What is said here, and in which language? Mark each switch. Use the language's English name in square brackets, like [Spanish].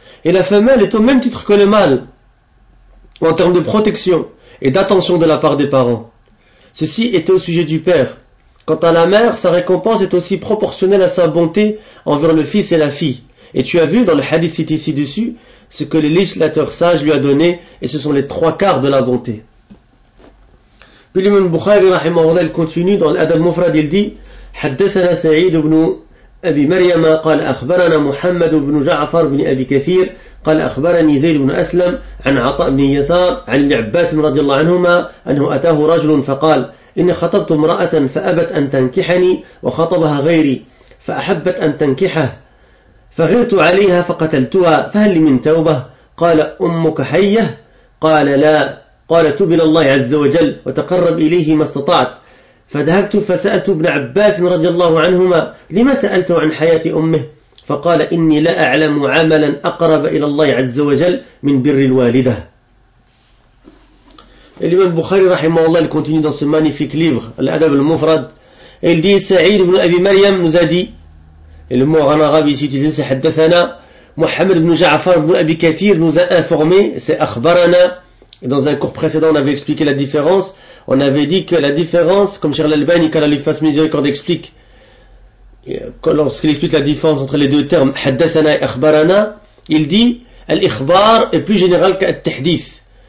[French] Et la femelle est au même titre que le mâle, en termes de protection et d'attention de la part des parents. Ceci était au sujet du père. Quant à la mère, sa récompense est aussi proportionnelle à sa bonté envers le fils et la fille. Et tu as vu dans le hadith cité ci-dessus, ce que le législateur sage lui a donné, et ce sont les 3/4 de la bonté. Puis l'imam Bukhari, rahimahullah, il continue dans l'Adab Mufrad, il dit [Arabic] « Haddathana Sa'id ibn أبي مريم قال أخبرنا محمد بن جعفر بن أبي كثير قال أخبرني زيد بن أسلم عن عطاء بن يسار عن العباس رضي الله عنهما أنه أتاه رجل فقال إني خطبت امرأة فأبت أن تنكحني وخطبها غيري فأحبت أن تنكحه فغرت عليها فقتلتها فهل لي من توبة؟ قال أمك حية؟ قال لا. قال تب إلى الله عز وجل وتقرب إليه ما استطعت. فذهبت فسألت ابن عباس رضي الله عنهما لما سألته عن حياة أمه؟ فقال إني لا أعلم عملا أقرب إلى الله عز وجل من بر الوالدة. الإمام البخاري رحمه الله [French] il continue dans ce magnifique livre الأدب المفرد. Il dit سعيد بن أبي مريم nous a dit, le mot en arabe ici tu dis, حدثنا محمد بن جعفر بن أبي كثير nous a informé, c'est أخبرنا. Et dans un cours précédent, on avait expliqué la différence. On avait dit que la différence, comme Cheikh Al-Albani, qu'Allah lui fasse miséricorde, explique, lorsqu'il explique la différence entre les deux termes, haddathana et akhbarana, il dit, al-ikhbar est plus général qu'al-tahdith.